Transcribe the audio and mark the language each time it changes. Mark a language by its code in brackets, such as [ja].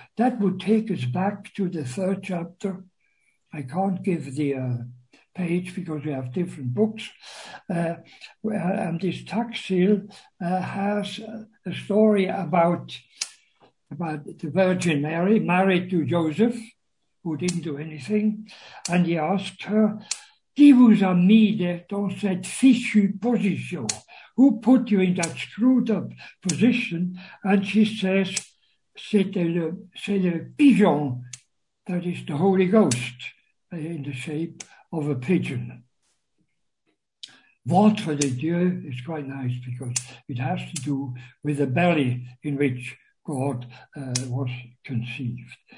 [en] That would take us back to the third chapter. I can't give the page because we have different books. And this Taxil has a story about the Virgin Mary, married to Joseph, who didn't do anything. And he asked her, [fr] qui vous a mis dans cette fichue position? [en] Who put you in that screwed up position? And she says, [fr] c'est le pigeon, [en] that is the Holy Ghost, in the shape of a pigeon. [fr] Ventre de Dieu [en] is quite nice because it has to do with the belly in which God was conceived.